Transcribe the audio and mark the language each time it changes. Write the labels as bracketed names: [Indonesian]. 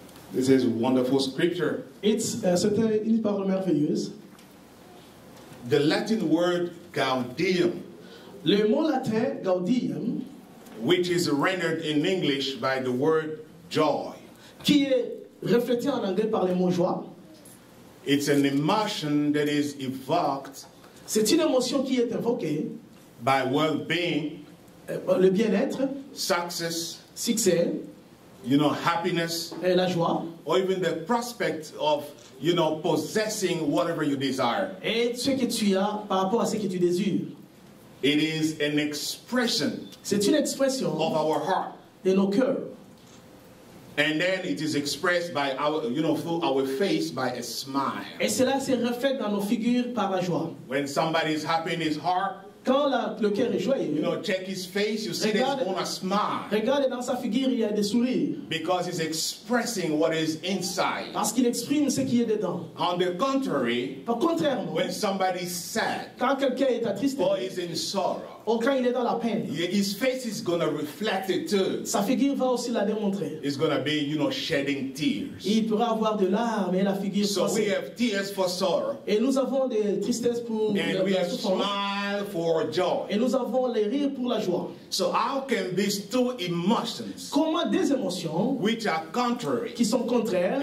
[English] This is a wonderful scripture. [French] C'était une parole merveilleuse. [English] The Latin word gaudium. [French] Le mot latin gaudium, [English] which is rendered in English by the word joy. [French] Qui est reflété en anglais par le mot joie. [English] It's an emotion that is evoked. [French] C'est une émotion qui est évoquée. [English] By well-being. [French] Le bien-être, [English] success, [French] succès, [English] you know, happiness, [French] et la joie, [English] or even the prospect of, you know, possessing whatever you desire. [French] Et ce que tu as par rapport à ce que tu désires. [English] It is an expression. [French] C'est une expression [English] of our heart, [French] de nos cœurs. [English] And then it is expressed by our, you know, through our face by a smile. [French] Et cela se reflète dans nos figures par la joie. [English] When somebody is happy in his heart. [French] Quand le cœur est joyeux, [English] you know, check his face, you see that he's on a smile. [French] Regarde dans sa figure, il y a des sourires. [English] Because he's expressing what is inside. [French] Parce qu'il exprime ce qui est dedans. [English] On the contrary, [French] par contrairement, [English] when somebody is sad, [French] quand quelqu'un est attristé, [English] or is in sorrow, [French] ou quand il est dans la peine, [English] his face is going to reflect it too. [French] Sa figure va aussi la démontrer. [English] It's going to be, you know, shedding tears. [French] Il pourra avoir de larmes et la figure. [English] So we have tears for sorrow. [French] Et nous avons des tristesses pour la souffrance. [English] And we have smile for joy. [French] Et nous avons les rires pour la joie. [English] So how can these two emotions, [French] comment des émotions, [English] which are contrary, [French] qui sont contraires,